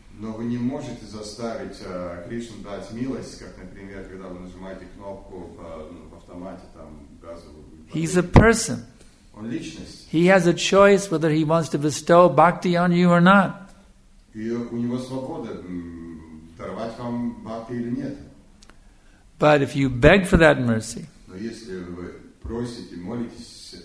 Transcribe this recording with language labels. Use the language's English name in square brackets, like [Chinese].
[Russian] Но вы не можете заставить Кришну дать милость, как, например, когда вы нажимаете кнопку в автомате, там, газовую. [English] He's a person. [Russian] Он личность. [English] He has a choice whether he wants to bestow bhakti on you or not. [Russian] И у него свобода даровать вам бхакти или нет. [English] But if you beg for that mercy, [Russian] но если вы просите, молитесь,